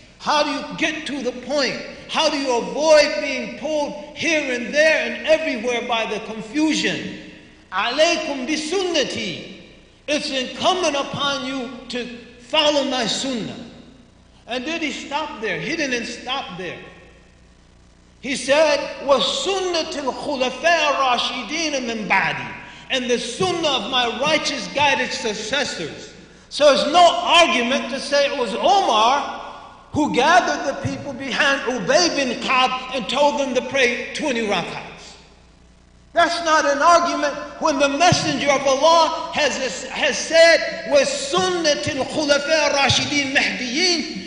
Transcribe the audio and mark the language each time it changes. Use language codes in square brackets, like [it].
[en] How do you get to the point? How do you avoid being pulled here and there and everywhere by the confusion? [ar] عَلَيْكُمْ بِسُنَّتِي. [en] It's incumbent upon you to follow my sunnah. And did he stop there? He didn't stop there. He said, [ar] وَسُنَّةِ الْخُلَفَاءَ الرَّاشِدِينَ مِنْ بَعْدِي. [en] And the sunnah of my righteous guided successors. So it's no argument to say it was Omar who gathered the people behind Ubay bin Ka'b and told them to pray 20 rak'ahs. That's not an argument when the Messenger of Allah has said, [ar] وَسُنَّةِ الْخُلَفَاءَ الرَّاشِدِينَ مِهْدِيِينَ.